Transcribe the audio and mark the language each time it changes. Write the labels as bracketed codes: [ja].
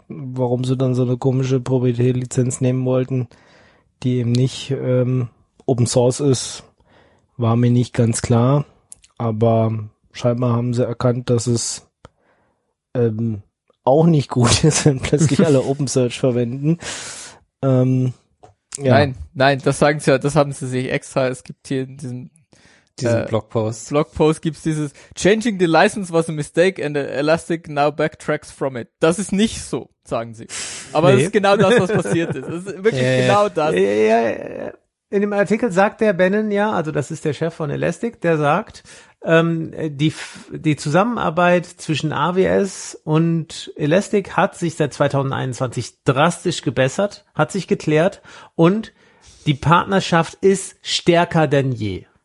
[de] Warum sie dann so eine komische Proprietärlizenz nehmen wollten, die eben nicht Open Source ist, war mir nicht ganz klar. Aber scheinbar haben sie erkannt, dass es auch nicht gut ist, wenn plötzlich alle Open Source verwenden. Ja. Nein, das sagen sie ja, das haben sie sich extra. Es gibt hier diesen diesen Blogpost. Blogpost gibt's dieses [en] Changing the license was a mistake and Elastic now backtracks from it. [de] Das ist nicht so, sagen sie. Aber es ist genau das, was passiert ist. Das ist wirklich genau das. In dem Artikel sagt der Bannon ja, also das ist der Chef von Elastic, der sagt, die Zusammenarbeit zwischen AWS und Elastic hat sich seit 2021 drastisch gebessert, hat sich geklärt und die Partnerschaft ist stärker denn je.